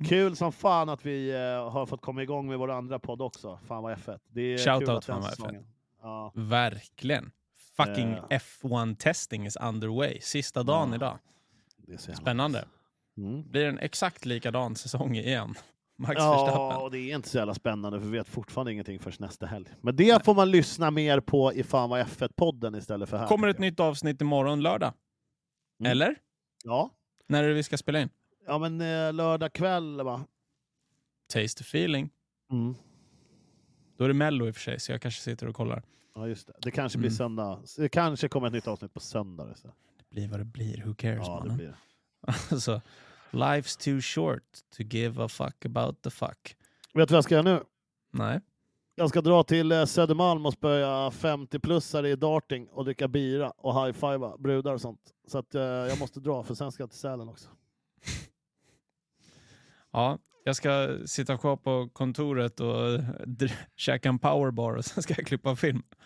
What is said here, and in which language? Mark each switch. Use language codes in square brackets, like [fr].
[sv] Kul som fan att vi har fått komma igång med vår andra podd också. Fan vad F1. Det är [en] shout [sv] kul out fan vad F1. Ja. Verkligen. [en] Fucking F1 testing is underway. [sv] Sista dagen idag. Det är så spännande. Blir en exakt likadan säsong igen. Max Verstappen. Ja, och det är inte så jävla spännande för vi vet fortfarande ingenting först nästa helg. Men det får man lyssna mer på i fan vad F1-podden istället för här. Kommer ett nytt avsnitt imorgon lördag? Eller? Ja. När är det vi ska spela in? Ja, men lördag kväll va? [en] Taste the feeling. [sv] Då är det Mello i och för sig så jag kanske sitter och kollar. Ja just det. Det kanske blir söndag. Det kanske kommer ett nytt avsnitt på söndag. Så. Det blir vad det blir. [en] Who cares, [sv] ja, mannen? Det blir. Alltså, [en] life's too short to give a fuck about the fuck. [sv] Vet du vad jag ska göra nu? Nej. Jag ska dra till Södermalm och spöja 50-plussare i darting och dricka bira och high-fiva brudar och sånt. Så att jag måste dra för sen ska jag till Sälen också. Ja. Jag ska sitta kvar på kontoret och käka en powerbar och sen ska jag klippa film.